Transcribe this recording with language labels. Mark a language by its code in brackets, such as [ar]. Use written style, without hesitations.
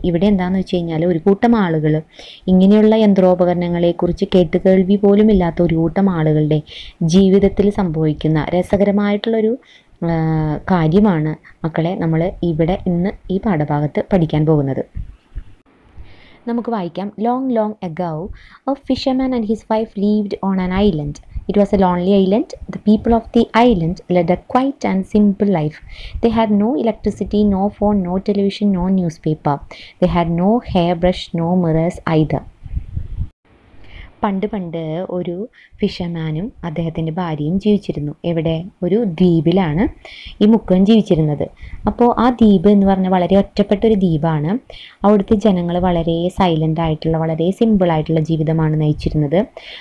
[ml] ഇവിടെ എന്താണെന്ന് വെച്ച് കഴിഞ്ഞാൽ, ഒരു കൂട്ടം ആളുകൾ ഇങ്ങനെയുള്ള യന്ത്രോപകരണങ്ങളെക്കുറിച്ച് കേട്ട് കേൾവി പോലുമില്ലാത്ത ഒരു കൂട്ടം ആളുകളുടെ ജീവിതത്തിൽ സംഭവിക്കുന്ന രസകരമായിട്ടുള്ളൊരു കാര്യമാണ് മക്കളെ നമ്മൾ ഇവിടെ ഇന്ന് ഈ പാഠഭാഗത്ത് പഠിക്കാൻ പോകുന്നത്. നമുക്ക് വായിക്കാം. [en] Long long ago, a fisherman and his wife lived on an island. It was a lonely island. The people of the island led a quiet and simple life. They had no electricity, no phone, no television, no newspaper. They had no hairbrush, no mirrors either. [ml] പണ്ട് പണ്ട് ഒരു ഫിഷർമാനും അദ്ദേഹത്തിൻ്റെ ഭാര്യയും ജീവിച്ചിരുന്നു. എവിടെ? ഒരു ദ്വീപിലാണ് ഈ മുക്കുവൻ ജീവിച്ചിരുന്നത്. അപ്പോൾ ആ ദ്വീപ് എന്ന് പറഞ്ഞാൽ വളരെ ഒറ്റപ്പെട്ടൊരു ദ്വീപാണ്. അവിടുത്തെ ജനങ്ങൾ വളരെ സൈലൻ്റ് ആയിട്ടുള്ള, വളരെ സിമ്പിളായിട്ടുള്ള ജീവിതമാണ് നയിച്ചിരുന്നത്.